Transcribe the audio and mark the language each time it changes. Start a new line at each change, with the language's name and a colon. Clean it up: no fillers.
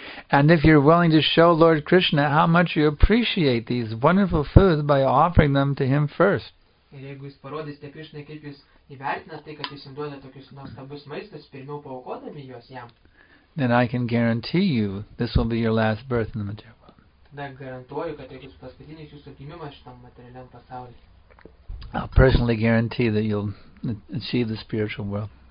English: and if you're willing to show Lord Krishna how much you appreciate these wonderful foods by offering them to him first,
Lithuanian: ir jeigu jūs parodysite Krishna kaip jūs įvertinat tai, kad jis jums duoda tokius nuostabus maistus, pirmiau paaukodami juos jam,
English: then I can guarantee you this will be your last birth in the material world.
Lithuanian: Tada garantuoju, kad tai bus paskutinis jūsų gimimas šitam materialiam pasaulyje.
English: I'll personally guarantee that you'll achieve the spiritual world.